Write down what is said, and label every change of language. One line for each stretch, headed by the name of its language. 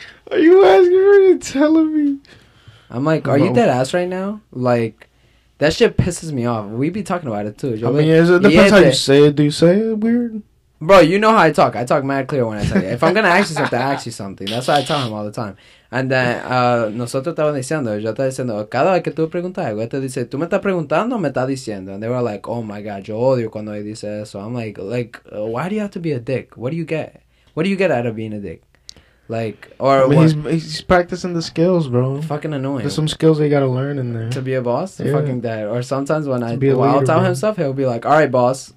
English: are you asking for you telling me? I'm like, are you dead ass right now? Like, that shit pisses me off. We be talking about it too. You're it depends how you say it. Do you say it weird? Bro, you know how I talk. I talk mad clear when I tell you. If I'm going to ask you something, I ask you something. That's why I tell him all the time. And then,
Spanish: nosotros estaban diciendo, yo estaba diciendo, cada vez que tú preguntas algo, él te dice, tú me estás preguntando, me estás diciendo.
English: And they were like, oh my God,
Spanish: yo odio cuando él dice eso.
English: I'm like, why do you have to be a dick? What do you get? What do you get out of being a dick? Like, or I mean, he's practicing the skills, bro. Fucking annoying. There's some skills they gotta learn in there. To be a boss? Yeah. Fucking dead. Or sometimes when I'll tell him stuff, he'll be like, all right, boss.